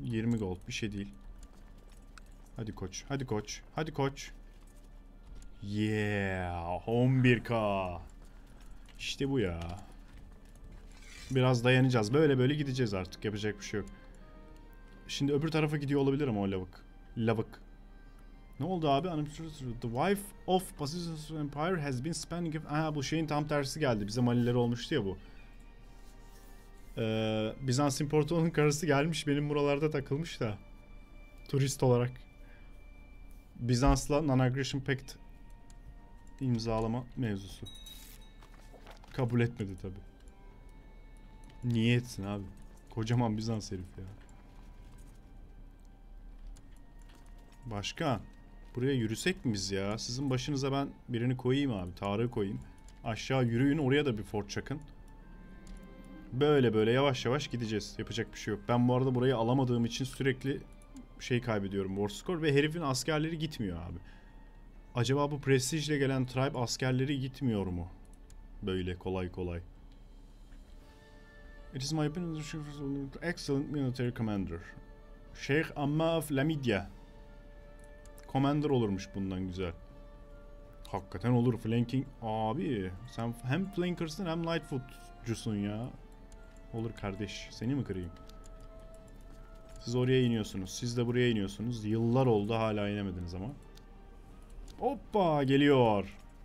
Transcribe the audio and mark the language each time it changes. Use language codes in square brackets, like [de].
[tr] 20 gold bir şey değil. Hadi koç. Hadi koç. Hadi koç. Yeah. 11k. İşte bu ya. Biraz dayanacağız. Böyle böyle gideceğiz artık. Yapacak bir şey yok. Şimdi öbür tarafa gidiyor olabilirim o lavuk. Lavuk. Ne oldu abi? [en] I'm sure the wife of Pacific Empire has been spending... [tr] Aha, bu şeyin tam tersi geldi. Bize malileri olmuştu ya bu. Bizans İmparatoru'nun karısı gelmiş. Benim buralarda takılmış da. Turist olarak. Bizans'la Non-Aggression Pact imzalama mevzusu. Kabul etmedi tabi. Niye etsin abi? Kocaman Bizans herif ya. Başka? Buraya yürüsek miyiz ya? Sizin başınıza ben birini koyayım abi. Tarık'ı koyayım. Aşağı yürüyün, oraya da bir fort çakın. Böyle böyle yavaş yavaş gideceğiz. Yapacak bir şey yok. Ben bu arada burayı alamadığım için sürekli şey kaybediyorum. War score ve herifin askerleri gitmiyor abi. Acaba bu prestijle gelen tribe askerleri gitmiyor mu? Böyle kolay kolay. [en] It is my opinion that excellent military commander. Sheikh Amma of Lamidia. [tr] Commander olurmuş bundan güzel. Hakikaten olur flanking. Abi sen hem flankersin hem lightfootcusun ya. Olur kardeş. Seni mi kırayım? Siz oraya iniyorsunuz. Siz de buraya iniyorsunuz. Yıllar oldu hala inemediniz ama. Hoppa geliyor.